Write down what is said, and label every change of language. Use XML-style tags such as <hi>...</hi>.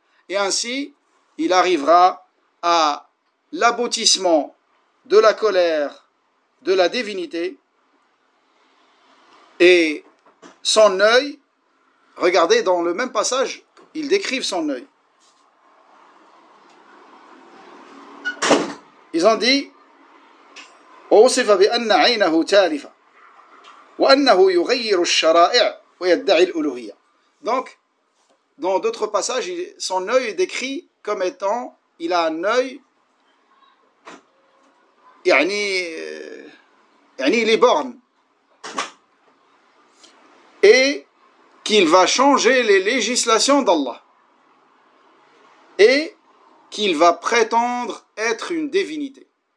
<fr>Et ainsi, il arrivera à l'aboutissement de la colère de la divinité, et son œil, regardez, dans le même passage, il décrive son œil. Ils ont dit,</fr> <ar>ووصف بأن عينه تالفة وأنه يغير الشرائع ويدعي الألوهية.</ar> <fr>Donc, dans d'autres passages, son œil est décrit comme étant, il a un œil, يعني il est borné, et qu'il va changer les législations d'Allah, et qu'il va prétendre être une divinité.</fr>